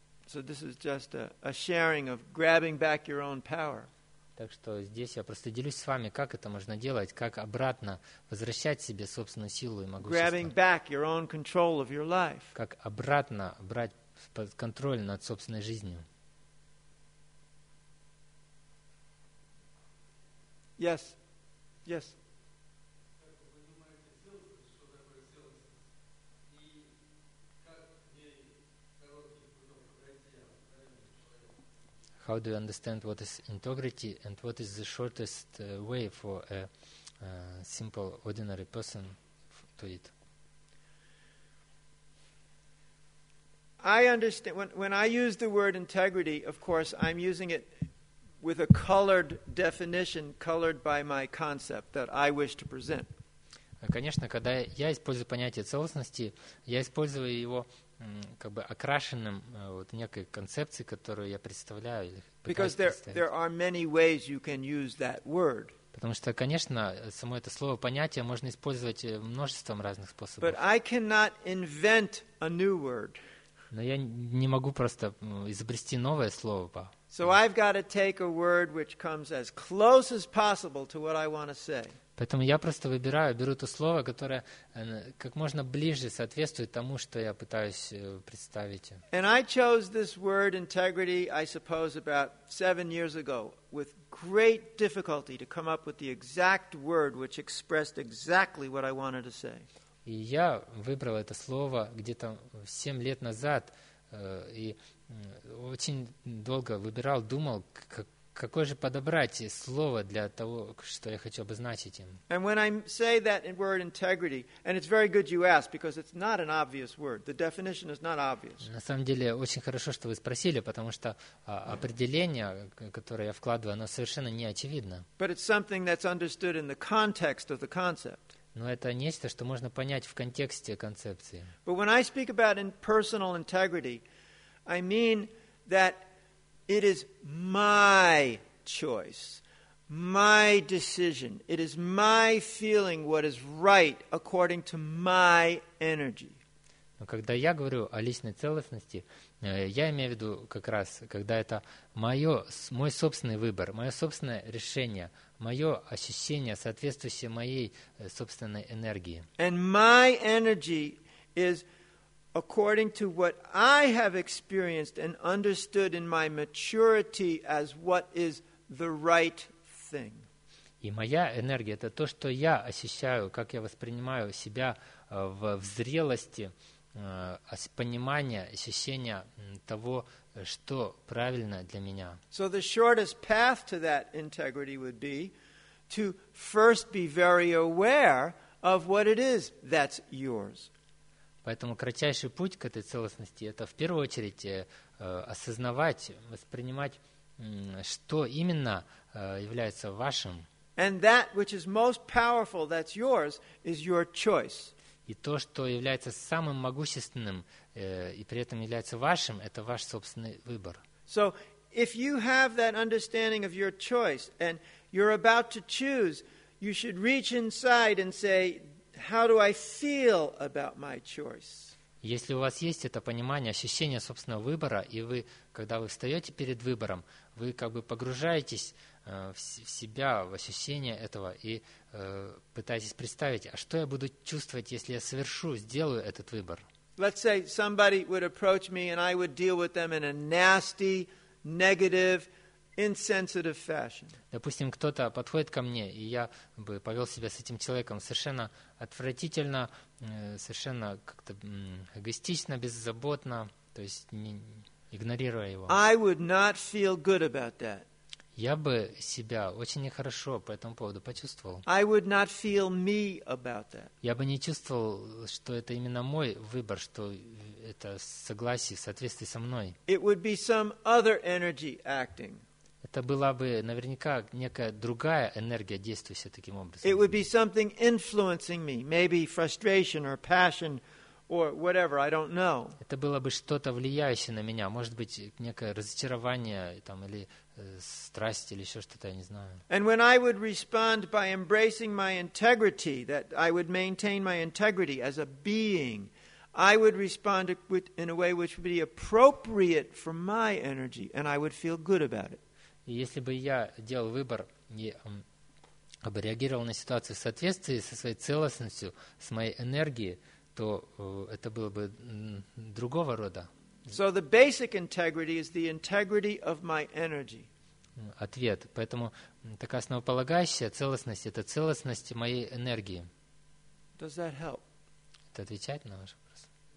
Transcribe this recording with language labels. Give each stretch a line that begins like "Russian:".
English: So this is just a sharing of grabbing back your own power.
Russian: Так что здесь я просто делюсь с вами, как это можно делать, как обратно возвращать себе собственную силу и могущество.
English: Grabbing back your own control of your life.
Russian: Как обратно брать под контроль над собственной жизнью.
English: Yes. Yes. How do you understand what is integrity and what is the shortest way for a simple, ordinary person to it? I understand. When I use the word integrity, of course, I'm using it with a colored definition, colored by my concept that I wish to present.
Russian: Конечно, когда я использую понятие целостности, я использую его как бы окрашенным вот некой концепцией, которую я представляю или представить. Потому что, конечно, само это слово понятие можно использовать множеством разных способов.
English: But I cannot invent a new word.
Russian: Но я не могу просто изобрести новое слово.
English: So I've got to take a word which comes as close as possible to what I want to say.
Russian: Поэтому я просто выбираю, беру то слово, которое как можно ближе соответствует тому, что я пытаюсь представить.
English: And I chose this word integrity, I suppose, about 7 years ago, with great difficulty to come up with the exact word which expressed exactly what I wanted to say.
Russian: И я выбрал это слово где-то 7 лет назад, и очень долго выбирал, думал, какое же подобрать слово для того, что я хочу обозначить им.
English: And when I say that word integrity, and it's very good you ask, because it's not an obvious word. The definition is not obvious.
Russian: На самом деле, очень хорошо, что вы спросили, потому что определение, которое я вкладываю, оно совершенно не очевидно.
English: But it's something that's understood in the context of the concept.
Russian: Но это нечто, что можно понять в контексте концепции.
English: But when I speak about personal integrity, I mean that it is my choice, my decision. It is my feeling what is right according to my energy.
Russian: Но когда я говорю о личной целостности, я имею в виду как раз, когда это мой собственный выбор, мое собственное решение, мое ощущение, соответствующее моей собственной энергии.
English: And my energy is according to what I have experienced and understood in my maturity as what is the right thing.
Russian: И моя энергия – это то, что я ощущаю, как я воспринимаю себя в зрелости, понимание, ощущение того, что правильно для меня.
English: So the shortest path to that integrity would be to first be very aware of what it is that's yours.
Russian: Поэтому кратчайший путь к этой целостности – это в первую очередь осознавать, воспринимать, что именно является вашим.
English: And that which is most powerful, that's yours, is your choice.
Russian: И то, что является самым могущественным и при этом является вашим – это ваш собственный выбор.
English: So if you have that understanding of your choice and you're about to choose, you should reach inside and say, how do I feel about my choice?
Russian: Если у вас есть это понимание, ощущение собственного выбора, и вы, когда вы встаете перед выбором, вы как бы погружаетесь в себя, в ощущение этого, и пытаетесь представить, а что я буду чувствовать, если я совершу, сделаю этот выбор?
English: Let's say somebody would approach me, and I would deal with them in a nasty, negative, insensitive fashion.
Russian: Допустим, кто-то подходит ко мне, и я бы повел себя с этим человеком совершенно отвратительно, совершенно как-то эгоистично, беззаботно, то есть не игнорируя его.
English: I would not feel good about that.
Russian: Я бы себя очень нехорошо по этому поводу почувствовал.
English: I would not feel me about that.
Russian: Я бы не чувствовал, что это именно мой выбор, что это согласие в соответствии со мной.
English: It would be some other energy acting.
Russian: Это была бы наверняка некая другая энергия, действующая таким образом.
English: It would be something influencing me, maybe frustration or passion or whatever, I don't know.
Russian: Это было бы что-то влияющее на меня, может быть, некое разочарование там, или страсть, или еще что-то, я не знаю.
English: And when I would respond by embracing my integrity, that I would maintain my integrity as a being, I would respond in a way which would be appropriate for my energy, and I would feel good about it.
Russian: И если бы я делал выбор и реагировал на ситуацию в соответствии со своей целостностью, с моей энергией, то это было бы другого рода.
English: So the basic integrity is the integrity of my energy.
Russian: Ответ. Поэтому такая основополагающая целостность – это целостность моей энергии.
English: Does that help?
Russian: Это отвечает на ваш вопрос?